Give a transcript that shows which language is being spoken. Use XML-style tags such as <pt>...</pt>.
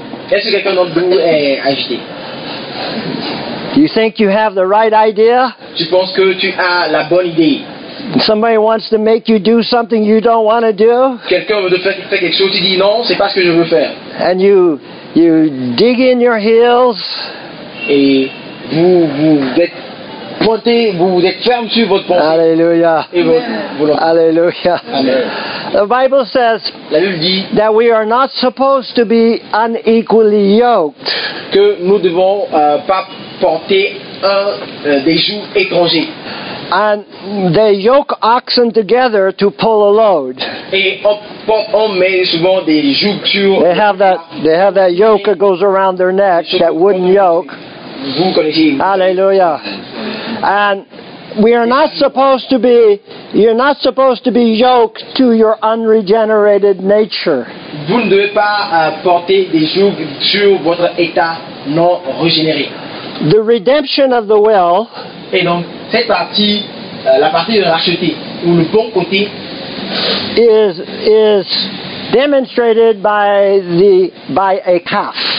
<fr>Est-ce que quelqu'un d'entre vous est agité?</fr> <en>Do you think you have the right idea?</en> <fr>Tu penses que tu as la bonne idée?</fr> <en>Somebody wants to make you do something you don't want to do.</en> <fr>Quelqu'un veut faire quelque chose, tu dis non, c'est pas ce que je veux faire.</fr> <en>And you dig in your heels.</en> <fr>Et vous êtes pointé, vous êtes ferme sur votre pensée. Alléluia. Alléluia. Amen.</fr> <en>The Bible says that we are not supposed to be unequally yoked.</en> <fr>Que nous devons pas porter des joues étrangers.</fr> <en>And they yoke oxen together to pull a load.</en> <fr>Et on met souvent des jougs sur.</fr> <en>They have that yoke that goes around their neck, that wooden yoke.</en> <fr>Vous connaissez.</fr> <en>Hallelujah. And we are not supposed to be. You're not supposed to be yoked to your unregenerated nature.</en> <fr>Vous ne devez pas porter des jougs sur votre état non régénéré.</fr> <en>The redemption of the will.</en> <fr>Et donc cette partie, la partie de racheter ou le bon côté,</fr> <en>is demonstrated by a calf.</en>